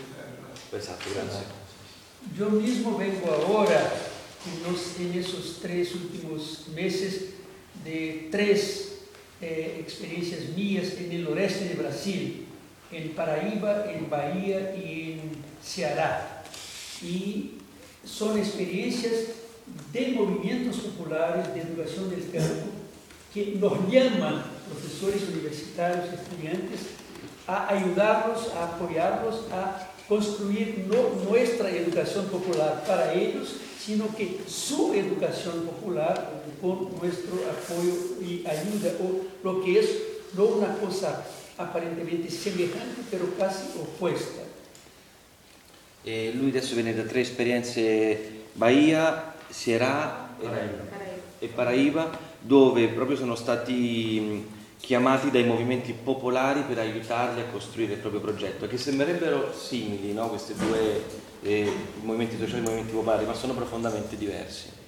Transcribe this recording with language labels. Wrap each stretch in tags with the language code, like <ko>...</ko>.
<it>terra. Esatto, grazie. Io mismo vengo ora, in questi tre ultimi mesi, di tre esperienze mie nel nord del Brasile, in Paraíba, in Bahia e in Ceará. E sono esperienze</it> <es>de movimientos populares de educación del campo que nos llaman profesores universitarios, estudiantes, a ayudarlos, a apoyarlos, a construir no nuestra educación popular para ellos, sino que su educación popular con nuestro apoyo y ayuda, o lo que es no una cosa aparentemente semejante, pero casi opuesta.</es> <it>Lui adesso viene da tre esperienze: Bahia, Sierra e Paraíba, dove proprio sono stati chiamati dai movimenti popolari per aiutarli a costruire il proprio progetto, che sembrerebbero simili, no, questi due movimenti sociali e movimenti popolari, ma sono profondamente diversi.</it>